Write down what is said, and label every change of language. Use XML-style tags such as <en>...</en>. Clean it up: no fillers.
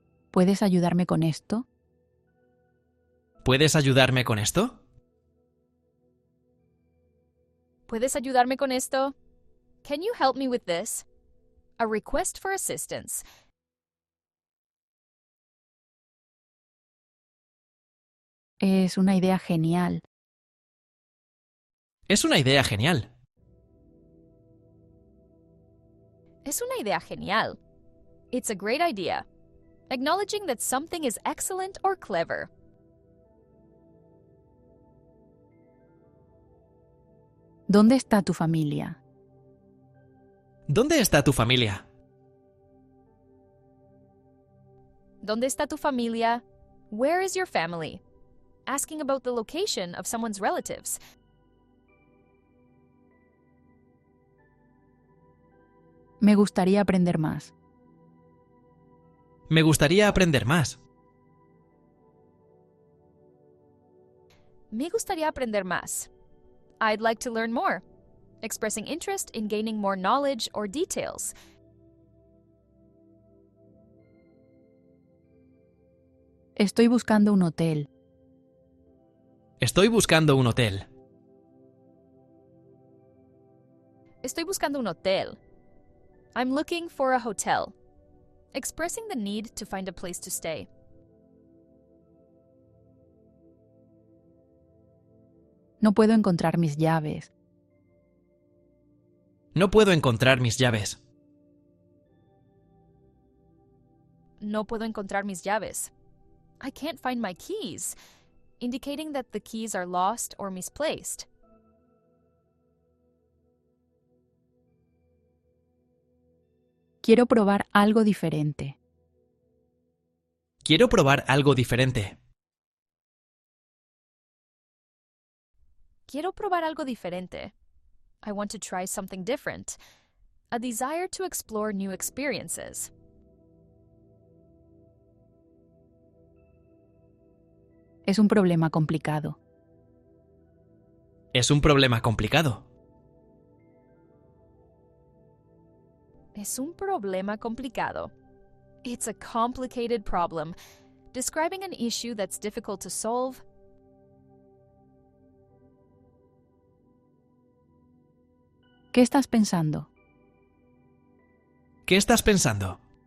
<es>¿Puedes ayudarme con esto? ¿Puedes ayudarme con esto? ¿Puedes ayudarme con esto?</es> <en>Can you help me with this? A request for assistance.</en> <es>Es una idea genial. Es una idea genial. Es una idea genial.</es> <en>It's a great idea. Acknowledging that something is excellent or clever.</en> <es>¿Dónde está tu familia? ¿Dónde está tu familia? ¿Dónde está tu familia?</es> <en>Where is your family? Asking about the location of someone's relatives.</en> <es>Me gustaría aprender más. Me gustaría aprender más. Me gustaría aprender más.</es> <en>I'd like to learn more. Expressing interest in gaining more knowledge or details.</en> <es>Estoy buscando un hotel. Estoy buscando un hotel. Estoy buscando un hotel.</es> <en>I'm looking for a hotel. Expressing the need to find a place to stay.</en> <es>No puedo encontrar mis llaves. No puedo encontrar mis llaves. No puedo encontrar mis llaves.</es> <en>I can't find my keys. Indicating that the keys are lost or misplaced.</en> <es>Quiero probar algo diferente. Quiero probar algo diferente. Quiero probar algo diferente.</es> <en>I want to try something different. A desire to explore new experiences.</en> <es>Es un problema complicado. Es un problema complicado. Es un problema complicado.</es> <en>It's a complicated problem. Describing an issue that's difficult to solve.</en> <es>¿Qué estás pensando? ¿Qué estás pensando?</es>